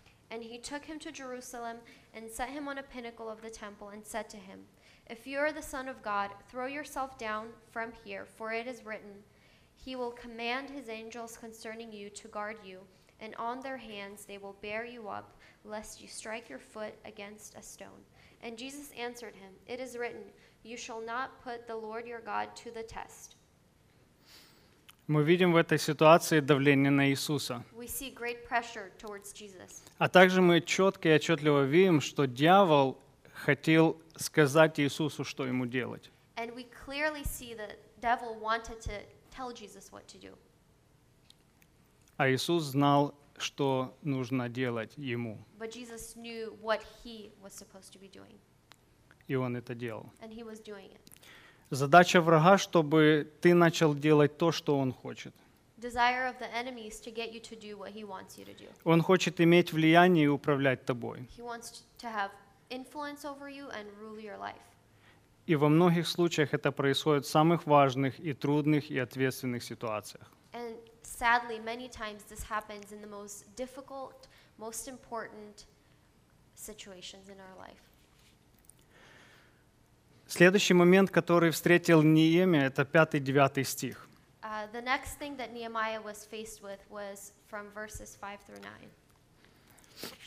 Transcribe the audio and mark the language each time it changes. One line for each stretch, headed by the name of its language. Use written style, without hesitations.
English: And he took him to Jerusalem and set him on a pinnacle of the temple and said to him, "If you are the Son of God, throw yourself down from here, for it is written, he will command his angels concerning you to guard you, and on their hands they will bear you up, lest you strike your foot against a stone." And Jesus answered him, "It is written, you shall not put the Lord your God to the test."
Russian: Мы видим в этой ситуации давление на Иисуса.
English: We see great pressure towards Jesus.
Russian: А также мы четко и отчетливо видим, что дьявол хотел сказать Иисусу, что ему делать.
English: And we clearly see that the devil wanted to tell Jesus what to do.
Russian: А Иисус знал, что нужно делать ему.
English: But Jesus knew what he was supposed to be doing.
Russian: И он это делал.
English: And he was doing it.
Russian: Задача врага, чтобы ты начал делать то, что он хочет.
English: Desire of the enemy is to get you to do what he wants you to do.
Russian: Он хочет иметь влияние и управлять тобой.
English: He wants to have influence over you and rule your life.
Russian: И во многих случаях это происходит в самых важных и трудных и ответственных ситуациях.
English: And sadly, many times this happens in the most difficult, most important situations in our life.
Russian: Следующий момент, который встретил Неемия, это 5-9 стих.
English: The next thing that Nehemiah was faced with was from verses 5 through 9.